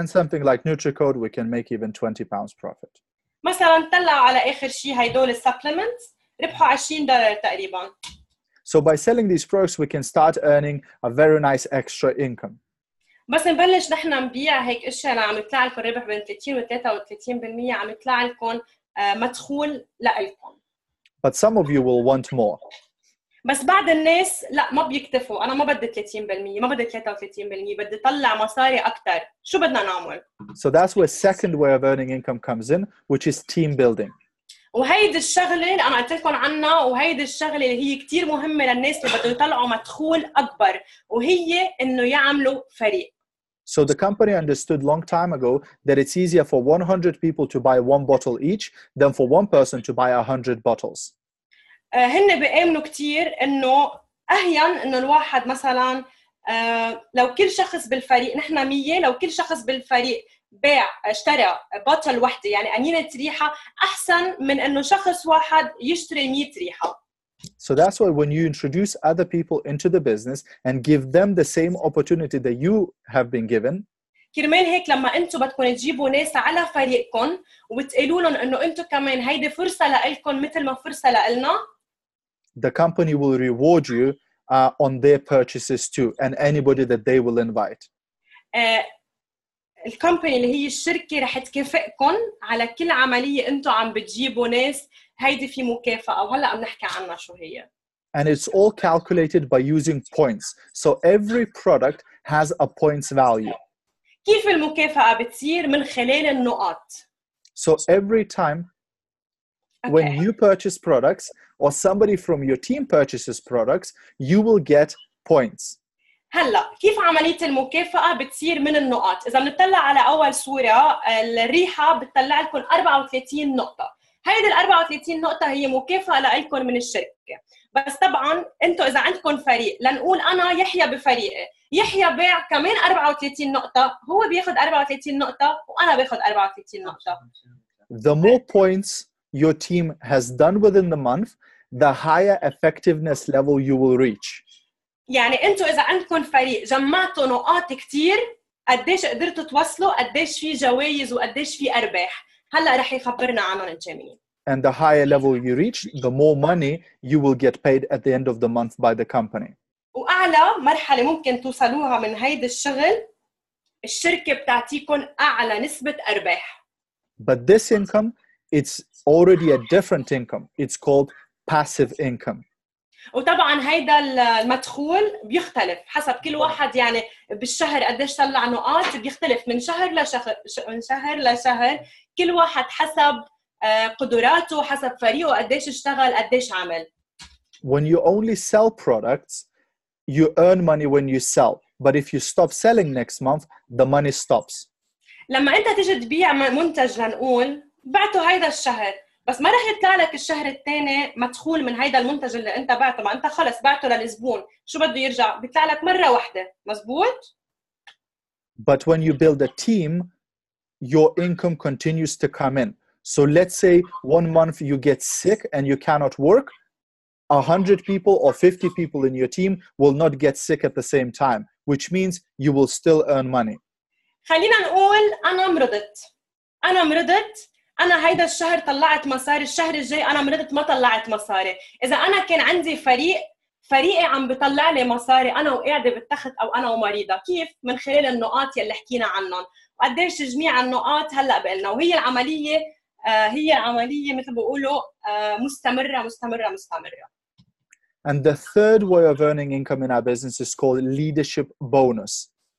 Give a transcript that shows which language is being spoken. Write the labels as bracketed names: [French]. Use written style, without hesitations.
[English] And something like Nutri-Code, we can make even 20 pounds profit. [Arabic] مثلا طلعوا على آخر شيء هيدول السبلمنتس ربحوا $20 تقريبا. [English] So by selling these products, we can start earning a very nice extra income. [Arabic] بس نبلش نحن نبيع هيك اشياء اللي عم يطلع لكم ربح بين 30 و 33%, عم يطلع لكم مدخول لكم. [English] But some of you will want more. [Arabic] بس بعض الناس لا ما بيكتفوا, انا ما بدي 30%, ما بدي 33%, بدي طلع مصاري اكثر, شو بدنا نعمل؟ [English] So that's where second way of earning income comes in, which is team building. [Arabic] وهيدي الشغله اللي انا قلت لكم عنها, وهيدي الشغله اللي هي كثير مهمه للناس اللي بدهم يطلعوا مدخول اكبر, وهي انه يعملوا فريق. [English] So the company understood long time ago that it's easier for 100 people to buy one bottle each than for one person to buy 100 bottles. [Arabic] هن بيؤمنوا كثير انه اهين انه الواحد مثلا لو كل شخص بالفريق, نحن 100, لو كل شخص بالفريق باع اشترى بوتل وحده يعني انينه ريحه, احسن من انه شخص واحد يشتري 100 ريحه. [English] So that's why when you introduce other people into the business and give them the same opportunity that you have been given, [Arabic] كرمال هيك لما انتم بدكم تجيبوا ناس على فريقكم وتقولوا لهم انه انتم كمان هيدي فرصه لكم مثل ما فرصه لنا, [English] the company will reward you on their purchases too and anybody that they will invite. [Arabic] الكومباني اللي هي الشركه رح تكافئكم على كل عمليه انتم عم بتجيبوا ناس, هيدي في مكافاه وهلا عم نحكي عنها شو هي. [English] And it's all calculated by using points, so every product has a points value. [Arabic] كيف المكافاه بتصير؟ من خلال النقاط. [English] So every time when you purchase products or somebody from your team purchases products, you will get points. [Arabic] هلا كيف عمليه المكافاه بتصير؟ من النقاط. اذا بنطلع على اول صوره الريحه بتطلع لكم 34 نقطه, هيدي ال 34 نقطه هي مكافاه لكم من الشركه. بس طبعا انتم اذا عندكم فريق, لنقول انا يحيى بفريقي, يحيى باع كمان 34 نقطه, هو بياخذ 34 نقطه وانا باخذ 34 نقطه. [English] The more points your team has done within the month, the higher effectiveness level you will reach. [Arabic] يعني انتوا اذا عندكم فريق جمعتوا نقاط كثير, قديش قدرتوا توصلوا, قديش في جوائز وقديش في ارباح, هلا رح يخبرنا عنهم الجميل. [English] And the higher level you reach, the more money you will get paid at the end of the month by the company. [Arabic] واعلى مرحله ممكن توصلوها من هيدا الشغل, الشركه بتعطيكم اعلى نسبه ارباح. [English] But this income, it's already a different income. It's called passive income. [Arabic] وطبعا هيدا المدخول بيختلف حسب كل واحد, يعني بالشهر قديش طلع نقاط بيختلف من شهر لشهر, من شهر لشهر, كل واحد حسب قدراته, حسب فريقه قديش اشتغل قديش عمل. [English] When you only sell products, you earn money when you sell. But if you stop selling next month, the money stops. [Arabic] لما انت تيجي تبيع منتج, لنقول بعته هيدا الشهر, بس ما رح يطلع لك الشهر الثاني مدخول من هيدا المنتج اللي انت بعته, ما انت خلص بعته للزبون, شو بده يرجع؟ بيطلع لك مره واحده, مزبوط؟ [English] But when you build a team, your income continues to come in. So let's say one month you get sick and you cannot work, 100 people or 50 people in your team will not get sick at the same time, which means you will still earn money. [Arabic] خلينا نقول انا مرضت, انا مرضت, انا هيدا الشهر طلعت مصاري, الشهر الجاي انا مرضت ما طلعت مصاري. اذا انا كان عندي فريق, فريقي عم بيطلع لي مصاري انا وقاعده بالتخت او انا ومريضه, كيف؟ من خلال النقاط يلي حكينا عنهم. وقديش جميع النقاط هلا بقلنا, وهي العمليه, هي عملية مثل بقولوا مستمره مستمره مستمره. [English] And the third way of earning income in our business is called leadership bonus.